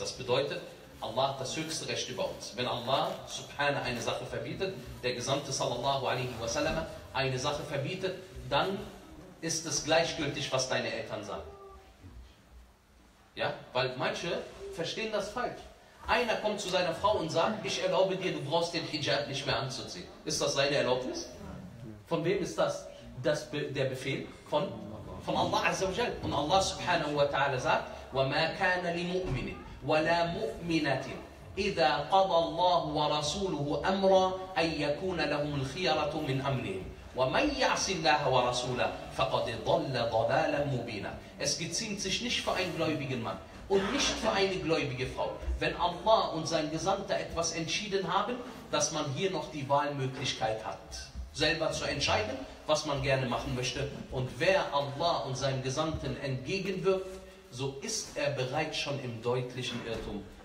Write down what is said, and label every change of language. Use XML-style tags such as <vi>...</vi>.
<de>Das bedeutet, Allah hat das höchste Recht über uns. Wenn Allah subhanahu eine Sache verbietet, der Gesandte sallallahu alaihi wasallam eine Sache verbietet, dann ist es gleichgültig, was deine Eltern sagen. Ja, weil manche verstehen das falsch. Einer kommt zu seiner Frau und sagt, ich erlaube dir, du brauchst den Hijab nicht mehr anzuziehen. Ist das seine Erlaubnis? Von wem ist das? Der Befehl? Von Allah Azza wa Jalla. Und Allah subhanahu wa ta'ala sagt,</de> <ar>وَمَا كَانَ لِمُؤْمِنٍ وَلَا مُؤْمِنَةٍ إِذَا قَضَى اللَّهُ وَرَسُولُهُ أَمْرًا أَنْ يَكُونَ لَهُمُ الْخِيَرَةُ مِنْ أَمْرِهِمْ وَمَنْ يَعْصِ اللَّهَ وَرَسُولَهُ فَقَدْ ضَلَّ ضَلَالًا مُبِينًا.</ar> <de>Es geziemt sich nicht für einen gläubigen Mann und nicht für eine gläubige Frau, wenn Allah und sein Gesandter etwas entschieden haben, dass man hier noch die Wahlmöglichkeit hat, selber zu entscheiden, was man gerne machen möchte. Und wer Allah und seinem Gesandten entgegenwirft, so ist er bereits schon im deutlichen Irrtum.</de>